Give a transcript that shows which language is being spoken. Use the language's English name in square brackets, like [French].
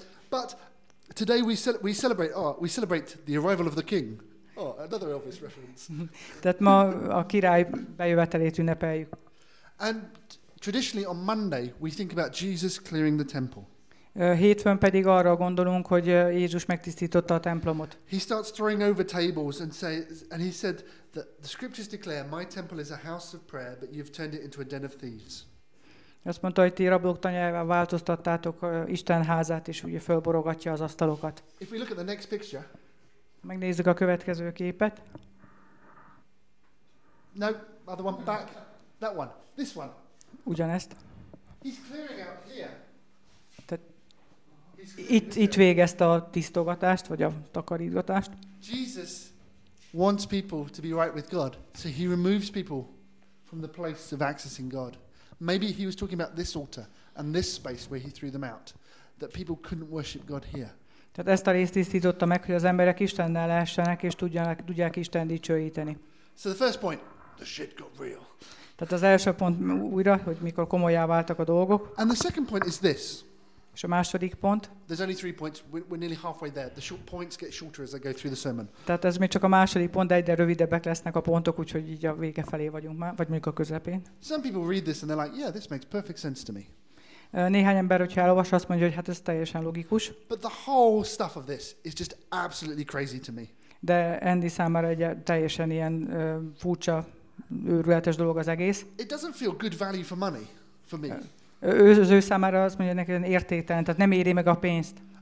[English] But today we celebrate the arrival of the king. Oh, another Elvis reference. [Hungarian] Tehát ma a király bejövetelét ünnepeljük. [English] And traditionally on Monday we think about Jesus clearing the temple. [Hungarian] Hétfőn pedig arra gondolunk, hogy Jézus megtisztította a templomot. [English] He starts throwing over tables and he said that the scriptures declare my temple is a house of prayer, but you've turned it into a den of thieves. [Hungarian] Azt mondta, hogy ti rablók tanyájával változtattátok Isten házát, és ugye fölborogatja az asztalokat. [English] If we look at the next picture, [Hungarian] megnézzük a következő képet. [English] No, other one back. That one. This one. [Hungarian] Ugyanezt. [English] He's clearing out here. [Hungarian] Tehát itt végezte a tisztogatást, vagy a takarítgatást. [English] Jesus wants people to be right with God, so he removes people from the place of accessing God. Maybe he was talking about this altar and this space where he threw them out, that people couldn't worship God here. [Hungarian] Tehát ezt a részt tisztította meg, hogy az emberek Istennel lehessenek, és tudják Isten dicsőíteni. [English] So the first point, the shit got real. [Hungarian] Tehát az első pont újra, hogy mikor komolyá váltak a dolgok. [English] And the second point is this. [Hungarian] És a második pont. [English] There's only three points, we're nearly halfway there. The short points get shorter as I go through the sermon. [Hungarian] Tehát ez még csak a második pont, de egyre rövidebbek lesznek a pontok, úgyhogy így a vége felé vagyunk már, vagy mondjuk a közepén. [English] Some people read this and they're like, yeah, this makes perfect sense to me. [Hungarian] Néhány ember, hogyha elolvas, azt mondja, hogy hát ez teljesen logikus. [English] But the whole stuff of this is just absolutely crazy to me. [Hungarian] De Andy számára egy teljesen ilyen furcsa, őrületes dolog az egész. [English] It doesn't feel good value for money for me. [Hungarian] Ő számára azt mondja, hogy neki értéktelen, tehát nem éri meg a pénzt.